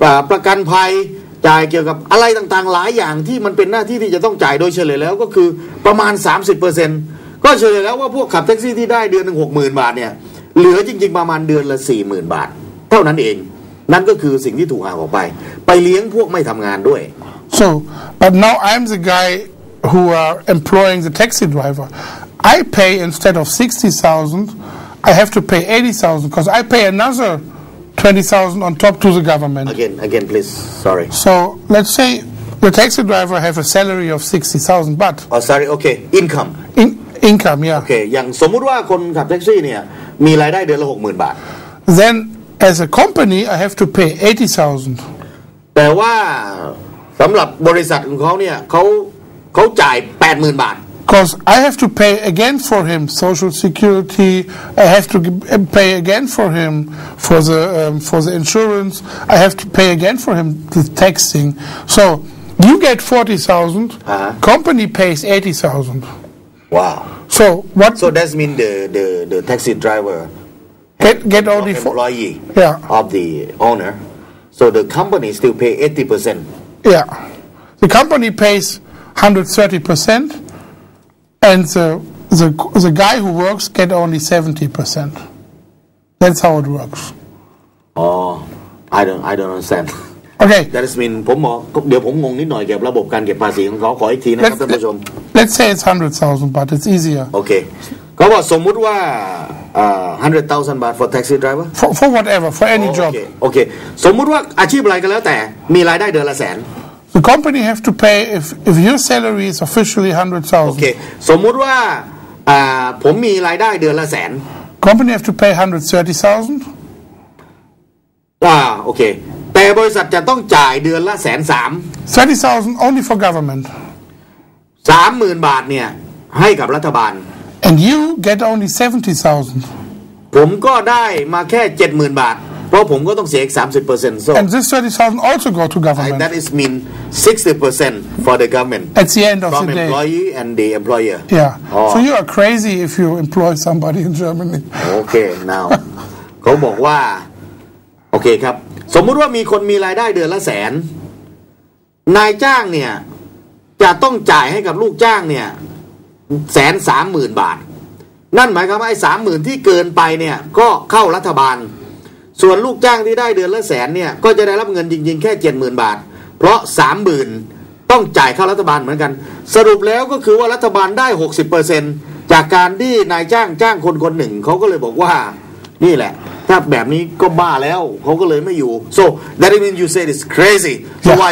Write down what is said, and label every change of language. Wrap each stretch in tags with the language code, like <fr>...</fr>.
<th>ประกันภัยจ่ายเกี่ยวกับอะไรต่างๆหลายอย่างที่มันเป็นหน้าที่ที่จะต้องจ่ายโดยเฉลี่ยแล้วก็คือประมาณ 30% ก็เฉลี่ยแล้วว่าพวกขับแท็กซี่ที่ได้เดือนนึง 60,000 บาทเนี่ยเหลือจริงๆประมาณเดือนละ 40,000 บาทเท่านั้นเองนั่นก็คือสิ่งที่ถูกหักออกไปไปเลี้ยงพวกไม่ทำงานด้วย</th> <en>So but now I'm the guy who are employing the taxi driver I pay instead of 60,000 I have to pay 80,000 because I pay another 20,000 on top to the government Again please sorry So let's say the taxi driver have a salary of 60,000 but Oh sorry okay income Income yeah</en> <th>Okay อย่างสมมุติว่าคนขับแท็กซี่เนี่ยมีรายได้เดือนละ 60,000 บาท</th> <en>ThenAs a company, I have to pay 80,000.</en> <th>แต่ว่าสำหรับบริษัทของเขาเนี่ยเขาจ่าย 80,000 บาท</th> <en>Because I have to pay again for him social security. I have to pay again for him for the insurance. I have to pay again for him the taxing. So you get 40,000. Uh-huh. Company pays 80,000. Wow. So what? So that's mean the taxi driver. Get all the employee of the owner, so the company still pay 80%. Yeah, the company pays 130%, and the guy who works get only 70%. That's how it works. Oh, I don't understand. Okay, that is mean.</en> <th>ผมบอกเดี๋ยวผมงงนิดหน่อยเกี่ยวกับระบบการเก็บภาษีของเขาขออีกทีนะครับท่านผู้ชม</th> <en>Let's say it's 100,000, but it's easier. Okay,</en> <th>เขาบอกสมมติว่า</th> <en>100,000 baht for taxi driver for whatever for any job</en> <th>okay สมมุติว่าอาชีพอะไรก็แล้วแต่มีรายได้เดือนละแสน</th> <en>the company have to pay if your salary is officially 100,000</en> <th>okay สมมุติว่าผมมีรายได้เดือนละแสน</th> <en>company have to pay 130,000</en> <th>โอเคแต่บริษัทจะต้องจ่ายเดือนละ 130,000</th> <en>30,000 only for government</en> <th>30,000 บาทเนี่ยให้กับรัฐบาล</th> <en>And you get only 70,000</en> <th>ผมก็ได้มาแค่ 70,000 บาทเพราะผมก็ต้องเสียอีก 30%</th> <en>so And this 30,000 also go to government That is mean 60% for the government At the end of the day From employee and the employer Yeah oh. So you are crazy if you employ somebody in Germany</en> <th>Okay now เขาบอกว่าโอเคครับสมมุติว่ามีคนมีรายได้เดือนละแสนนายจ้างเนี่ยจะต้องจ่ายให้กับลูกจ้างเนี่ย 130,000 บาทนั่นหมายความว่าไอ้ 30,000 ที่เกินไปเนี่ยก็เข้ารัฐบาลส่วนลูกจ้างที่ได้เดือนละแสนเนี่ยก็จะได้รับเงินจริงๆแค่ 70,000 บาทเพราะ 30,000 ต้องจ่ายเข้ารัฐบาลเหมือนกันสรุปแล้วก็คือว่ารัฐบาลได้ 60% จากการที่นายจ้างจ้างคนๆหนึ่งเค้าก็เลยบอกว่านี่แหละถ้าแบบนี้ก็บ้าแล้วเขาก็เลยไม่อยู่</th> <en>so that means you said it's crazy so yeah.</en>